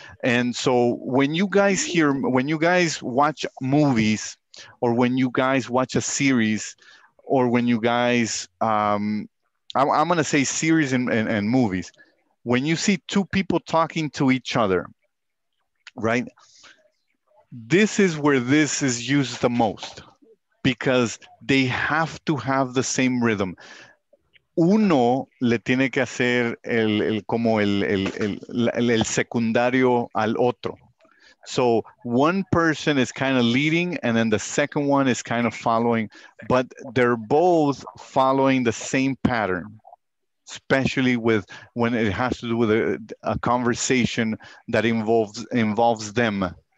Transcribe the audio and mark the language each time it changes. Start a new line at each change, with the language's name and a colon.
English: And so when you guys watch movies, or when you guys watch a series, or when you guys, I'm gonna say series and movies, when you see two people talking to each other, right? This is where this is used the most, because they have to have the same rhythm.
Spanish: Uno le tiene que hacer el secundario al otro.
English: So one person is kind of leading and then the second one is kind of following, but they're both following the same pattern. Especially with when it has to do with a conversation that involves them.